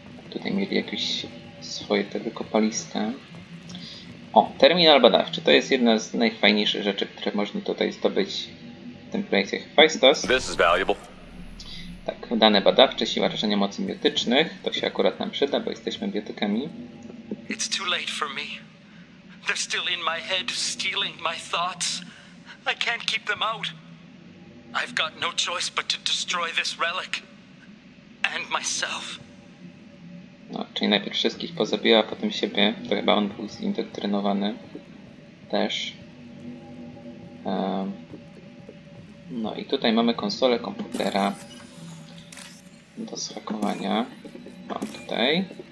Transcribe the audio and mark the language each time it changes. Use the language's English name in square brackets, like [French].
[Polish] Tutaj mieli jakieś swoje te wykopaliska. O, terminal badawczy. To jest jedna z najfajniejszych rzeczy, które można tutaj zdobyć w tym projekcie Hephaistos. [English] This is valuable. [Polish] Tak, dane badawcze, siła rażenia mocy biotycznych. To się akurat nam przyda, bo jesteśmy biotykami. [English] It's too late for me. They're still in my head, stealing my thoughts. I can't keep them out. I've got no choice but to destroy this relic. And myself. [Polish] No, czyli najpierw wszystkich pozabiła, a potem siebie. To chyba on był zindoktrynowany. Też. No i tutaj mamy konsolę komputera. Do zhakowania. O, tutaj.